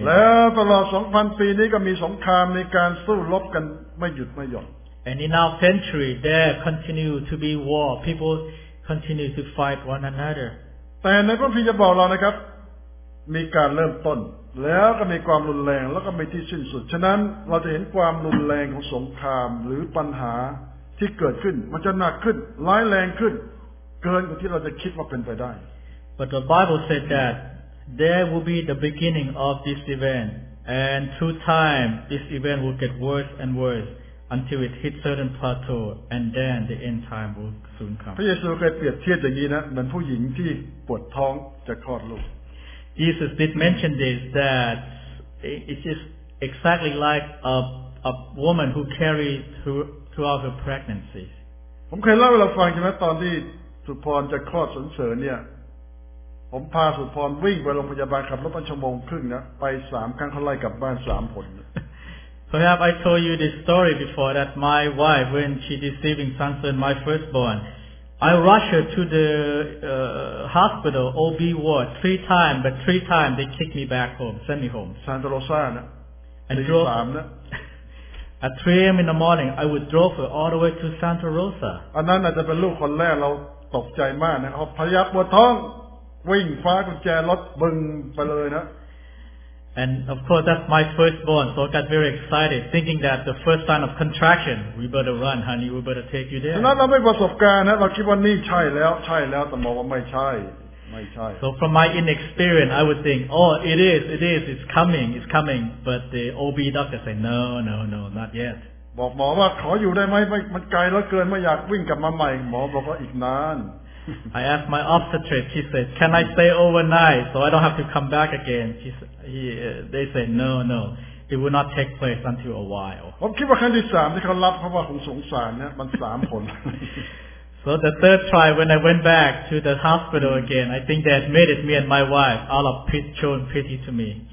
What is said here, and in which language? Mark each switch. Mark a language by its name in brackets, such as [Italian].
[Thai] แล้วตลอด 2,000 ปีนี้ก็มีสงครามในการสู้รบกันไม่หยุดไม่หย่อน [English] And in our century, there continue to be war. People continue to fight one another. [Thai] แต่ในพระคัมภีร์จะบอกเรานะครับมีการเริ่มต้นแล้วก็มีความรุนแรงแล้วก็มีที่สิ้นสุดฉะนั้นเราจะเห็นความรุนแรงของสงครามหรือปัญหาที่เกิดขึ้นมันจะหนักขึ้นร้ายแรงขึ้นเกินกว่าที่เราจะคิดว่าเป็นไปได้ [English] But the Bible said that there will be the beginning of this event and through time this event will get worse and worse until it hits certain plateau and then the end time will soon come [Thai] พระเยซูเคยเปรียบเทียบอย่างนี้นะเหมือนผู้หญิงที่ปวดท้องจะคลอดลูก [English] Jesus did mention this that it is exactly like a woman who carried throughout her pregnancy. [Thai] ผมเคยเล่าให้เราฟังใช่ไหมตอนที่สุพรจะคลอดสุนเสริญเนี่ยผมพาสุพรวิ่งไปโรงพยาบาลขับรถไปชั่วโมงครึ่งนะไปสามครั้งเขาไล่กลับบ้านสามคน [English] Perhaps I told you this story before that my wife when she receiving son son my firstborn I rush her to the hospital OB ward three times but three times they kick me back home send me home [Thai] Santa Rosa นะ [English] and drove [Thai] สามนะ [English] At 3 a.m. in the morning, I would drove her all the way to Santa Rosa. [Thai] อันนั้นอาจจะเป็นลูกคนแรกเราตกใจมากนะเขาพยักปวดท้องวิ่งคว้ากุญแจรถบึงไปเลยนะ [English] And of course, that's my firstborn, so I got very excited, thinking that the first sign of contraction, we better run, honey, we better take you there. [Thai] ฉะนั้นเราไม่ประสบการณ์นะเราคิดว่านี่ใช่แล้วใช่แล้วแต่มองว่าไม่ใช่ไม่ใช่ [English] So from my inexperience, I would think, oh, it is, it's coming, but the OB doctor said, no, not yet. [Thai] บอกหมอว่าขออยู่ได้ไหมมันไกลแล้วเกินไม่อยากวิ่งกลับมาใหม่หมอบอกว่าอีกนาน [English] I asked my obstetrician, he said, can I stay overnight so I don't have to come back again? They said, no, it will not take place until a while. [Thai] ผมคิดว่าครั้งที่สามที่เขารับเพราะว่าคงสงสารเนี่ยมันสามคน [English] So the third try, when I went back to the hospital again, I think they admitted me and my wife, all of pity, shown pity to me.